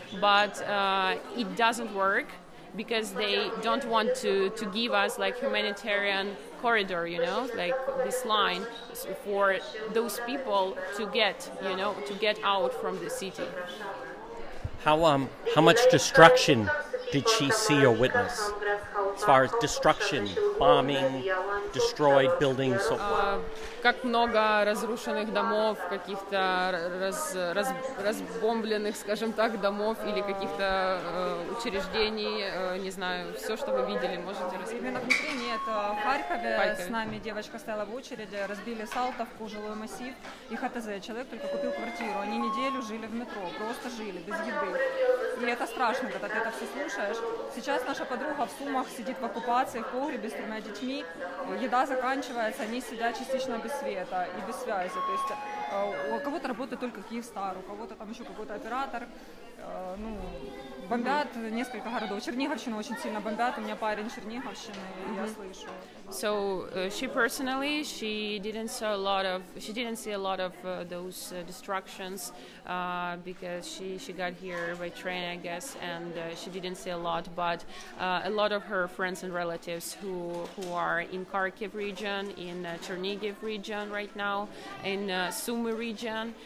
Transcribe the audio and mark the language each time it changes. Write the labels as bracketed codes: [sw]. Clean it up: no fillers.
[en] But it doesn't work because they don't want to give us like humanitarian corridor, you know, like this line for those people to get, you know, to get out from the city. How much destruction did she see or witness? As far as destruction, bombing, destroyed buildings, so forth. [ru] Как много разрушенных домов, каких-то разбомбленных, скажем так, домов или каких-то учреждений, не знаю, все, что вы видели, можете рассказать. Именно внутри нет. В Харькове с нами девочка стояла в очереди, разбили Салтовку, жилой массив, и ХТЗ. Человек только купил квартиру, они неделю жили в метро, просто жили, без еды. И это страшно, когда ты это все слушаешь. Сейчас наша подруга в Сумах сидит в оккупации, в погребе с тремя детьми, еда заканчивается, они сидят частично без света и без связи. То есть у кого-то работает только Киевстар, у кого-то там еще какой-то оператор. Ну, бомбят несколько городов. Черниговщину очень сильно бомбят. У меня парень Черниговщины, я слышу. [en] So she personally, she didn't see a lot of those destructions because she got here by train, I guess, and she didn't see a lot. But a lot of her friends and relatives who are in Kharkiv region, in Chernihiv region right now, in Sumy region.